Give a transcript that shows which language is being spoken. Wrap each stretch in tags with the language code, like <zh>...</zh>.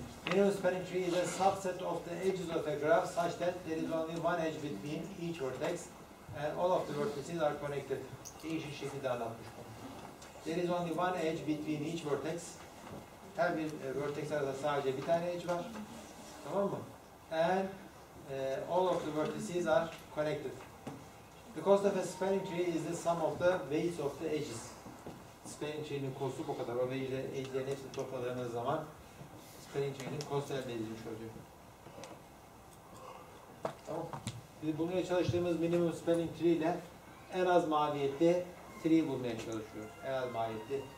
<en>Minimum spanning tree is a subset of the edges of a graph such that there is only one edge between each vertex and all of the vertices are connected.</en> <tr>Değişik şekilde anlatmış bunu.</tr> <en>There is only one edge between each vertex.</en> <tr>Her bir vertex arasında sadece bir tane edge var. Tamam mı?</tr> <en>And all of the vertices are connected. The cost of a spanning tree is the sum of the weights of the edges.</en> <tr>Spanning tree'nin cost'u bu kadar. O edge'lerin hepsini topladığınız zaman spanning tree'nin cost'u elde edilmiş oluyor. Tamam. Biz bulmaya çalıştığımız minimum spanning tree ile en az maliyetli tree bulmaya çalışıyoruz. En az maliyetli.</tr>